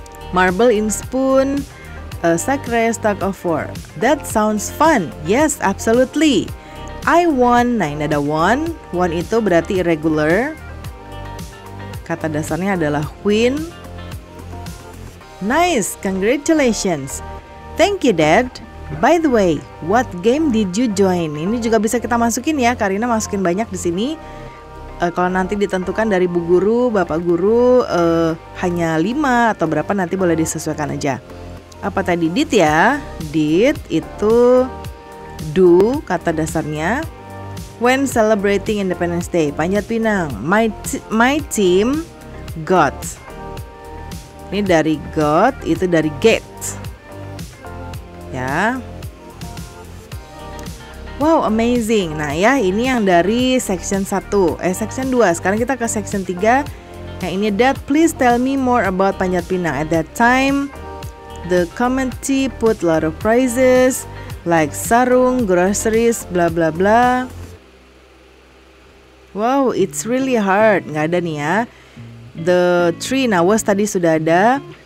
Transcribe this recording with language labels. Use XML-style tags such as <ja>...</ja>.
<en>Marble in spoon, sack race, tug of war. That sounds fun. Yes, absolutely. I won.</en> <id>Nah, ini ada won. Won itu berarti irregular. Kata dasarnya adalah win.</id> <en>Nice, congratulations. Thank you, Dad. By the way, what game did you join?</en> <id>Ini juga bisa kita masukin ya, Karina masukin banyak di sini. Kalau nanti ditentukan dari Bu Guru, Bapak Guru, hanya 5 atau berapa nanti boleh disesuaikan aja. Apa tadi did ya? Did itu do, kata dasarnya.</id> <en>When celebrating Independence Day, panjat pinang. My team got.</en> <id>Ini dari got, itu dari get. Ya.</id> <en>Wow, amazing.</en> <id>Nah, ya ini yang dari section 2. Sekarang kita ke section 3. Nah, ini Dad,</id> <en>please tell me more about panjat pinang. At that time, the committee put a lot of prizes like sarung, groceries, bla bla bla. Wow, it's really hard.</en> <id>Nggak ada nih ya.</id> <en>The tree,</en> <id>nah was tadi sudah ada.</id>